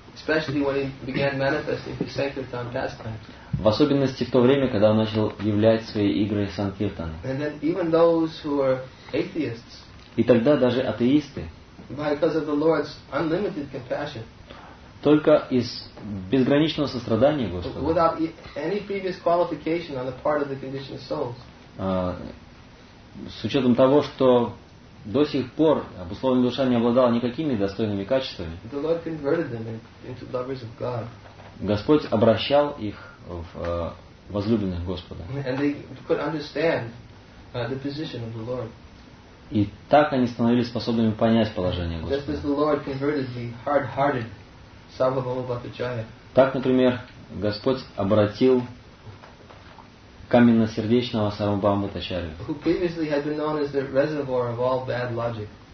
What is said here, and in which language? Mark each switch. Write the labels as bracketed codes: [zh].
[en] Especially when he began manifesting his sankirtan pastimes. [ru] В особенности в то время, когда он начал являть свои игры санкиртаны. [en] And then even those who were atheists. [ru] И тогда даже атеисты, [en] because of the Lord's unlimited compassion, [ru] только из безграничного сострадания Господа, [en] without any previous qualification on the part of the conditioned souls, [ru] с учетом того, что до сих пор обусловленная душа не обладала никакими достойными качествами, [en] the Lord converted them into lovers of God. [ru] Господь обращал их в возлюбленных Господа. [en] And they could understand the position of the Lord. [ru] И так они становились способными понять положение Господа. Так, например, Господь обратил каменно-сердечного Сарвабхаума Бхаттачарию,